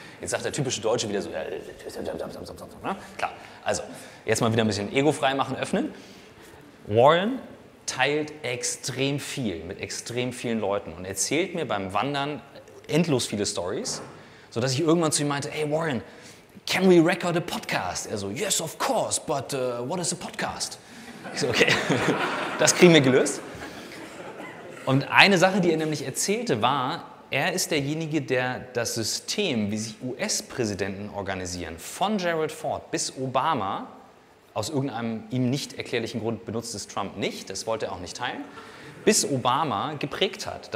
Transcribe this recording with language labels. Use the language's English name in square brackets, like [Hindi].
[German] Jetzt sagt der typische Deutsche wieder so, ne? Klar. Also, jetzt mal wieder ein bisschen Ego frei machen, öffnen. Warren teilt extrem viel mit extrem vielen Leuten und erzählt mir beim Wandern endlos viele Stories, sodass ich irgendwann zu ihm meinte: [English] Hey Warren, can we record a podcast? [German] Er so: [English] Yes, of course, but what is a podcast? [German] Ich so: Okay, das kriegen wir gelöst. Und eine Sache, die er nämlich erzählte, war, er ist derjenige, der das System, wie sich US-Präsidenten organisieren, von Gerald Ford bis Obama, aus irgendeinem ihm nicht erklärlichen Grund benutzt es Trump nicht, das wollte er auch nicht teilen, bis Obama geprägt hat.